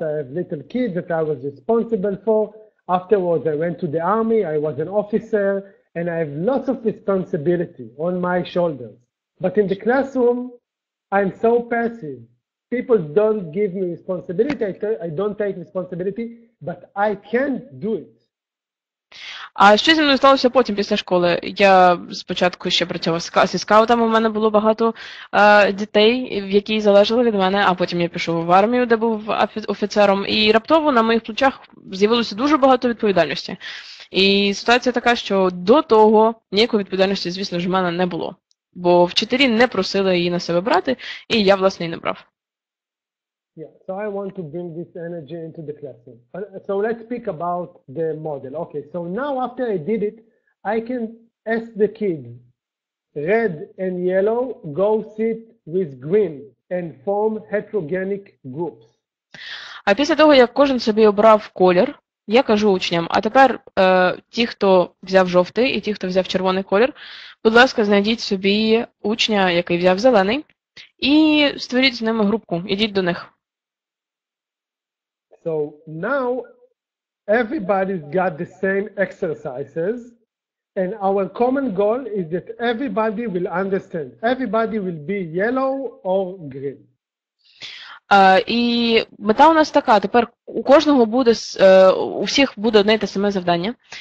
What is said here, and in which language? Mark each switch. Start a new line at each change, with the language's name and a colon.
English: I have little kids that I was responsible for. Afterwards, I went to the army, I was an officer, and I have lots of responsibility on my shoulders. But in the classroom, I'm so passive. People don't give me responsibility, I don't take responsibility, but I can do it.
Ukrainian: А що зі мною сталося потім, після школи? Я спочатку ще працював зі скаутами, у мене було багато дітей, які залежали від мене, а потім я пішов в армію, де був офіцером, і раптово на моїх плечах з'явилося дуже багато відповідальності. І ситуація така, що до того ніякої відповідальності, звісно ж, в мене не було, бо вчителі не просили її на себе брати, і я, власне, і не брав.
English: Yeah, so I want to bring this energy into the classroom. So let's speak about the model. Okay, so now after I did it, I can ask the kids, red and yellow, go sit with green and form heterogenic groups.
Ukrainian: А після того, як кожен собі обрав колір, я кажу учням, а тепер ті, хто взяв жовтий, і ті, хто взяв червоний колір, будь ласка, знайдіть собі учня, який взяв зелений, і створіть з ними групку, ідіть до них.
English: So now everybody's got the same exercises, and our common goal is that everybody will understand. Everybody will be yellow or green.
Ukrainian: І мета у нас така: тепер у кожного буде у всіх буде одне й те саме завдання.